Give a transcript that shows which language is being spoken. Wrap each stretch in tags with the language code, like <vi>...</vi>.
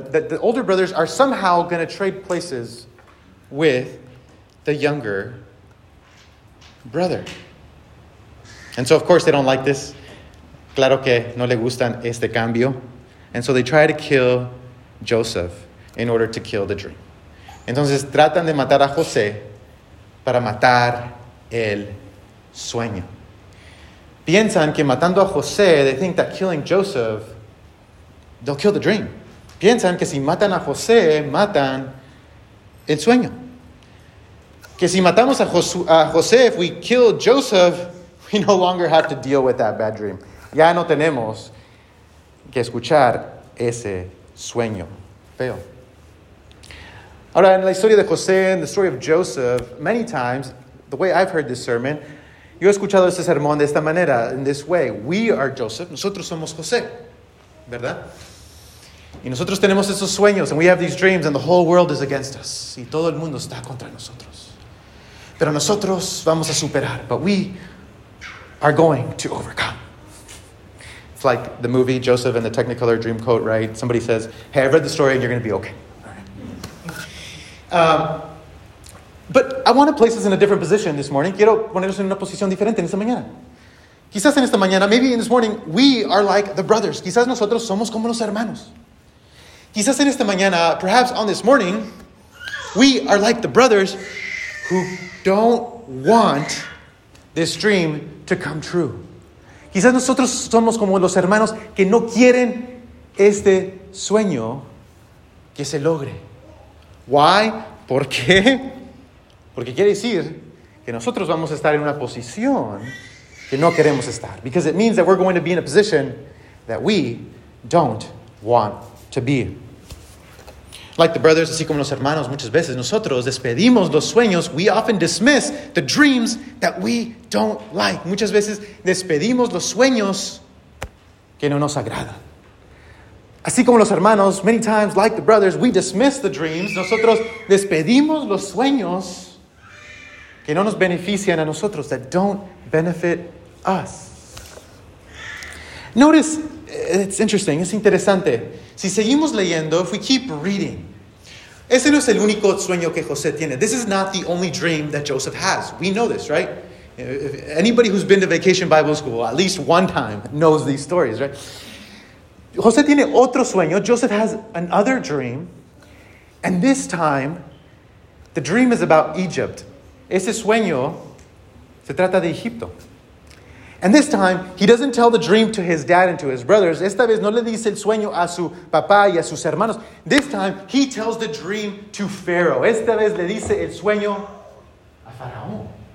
<en>That the older brothers are somehow going to trade places with the younger brother. And so, of course, they don't like this.</en> <es>Claro que no le gustan este cambio.</es> <en>And so they try to kill Joseph in order to kill the dream.</en> <es>Entonces, tratan de matar a José para matar el sueño.</es> <en>Piensan que matando a José, they think that killing Joseph, they'll kill the dream.</en> <es>Piensan que si matan a José, matan el sueño. Que si matamos a José,</es> <en>if we kill Joseph, we no longer have to deal with that bad dream.</en> <es>Ya no tenemos que escuchar ese sueño feo. Ahora, en la historia de José, en</es> <en>the story of Joseph, many times, the way I've heard this sermon,</en> <es>yo he escuchado este sermón de esta manera,</es> <en>in this way. We are Joseph.</en> <es>Nosotros somos José. ¿Verdad? Y nosotros tenemos esos sueños,</es> <en>and we have these dreams, and the whole world is against us.</en> <es>Y todo el mundo está contra nosotros. Pero nosotros vamos a superar.</es> <en>But we are going to overcome. It's like the movie Joseph and the Technicolor Dreamcoat, right? Somebody says, hey, I've read the story, and you're going to be okay. But I want to place us in a different position this morning.</en> <es>Quiero ponernos en una posición diferente en esta mañana. Quizás en esta mañana,</es> <en>maybe in this morning, we are like the brothers.</en> <es>Quizás nosotros somos como los hermanos. Quizás en esta mañana,</es> <en>perhaps on this morning, we are like the brothers who don't want this dream to come true.</en> <es>Quizás nosotros somos como los hermanos que no quieren este sueño que se logre.</es> <en>Why?</en> <es>¿Por qué? Porque quiere decir que nosotros vamos a estar en una posición que no queremos estar.</es> <en>Because it means that we're going to be in a position that we don't want to be. Like the brothers,</en> <es>así como los hermanos, muchas veces nosotros despedimos los sueños.</es> <en>We often dismiss the dreams that we don't like.</en> <es>Muchas veces despedimos los sueños que no nos agradan. Así como los hermanos,</es> <en>many times, like the brothers, we dismiss the dreams.</en> <es>Nosotros despedimos los sueños que no nos benefician a nosotros,</es> <en>that don't benefit us. Notice, it's interesting, es interesante.</en> <es>Si seguimos leyendo,</es> <en>if we keep reading,</en> <es>ese no es el único sueño que José tiene.</es> <en>This is not the only dream that Joseph has. We know this, right? If anybody who's been to Vacation Bible School at least one time knows these stories, right?</en> <es>José tiene otro sueño.</es> <en>Joseph has another dream. And this time, the dream is about Egypt.</en> <es>Ese sueño se trata de Egipto.</es> <en>And this time, he doesn't tell the dream to his dad and to his brothers.</en> <es>Esta vez no le dice el sueño a su papá y a sus hermanos.</es> <en>This time, he tells the dream to Pharaoh.</en> <es>Esta vez le dice el sueño a Faraón.</es>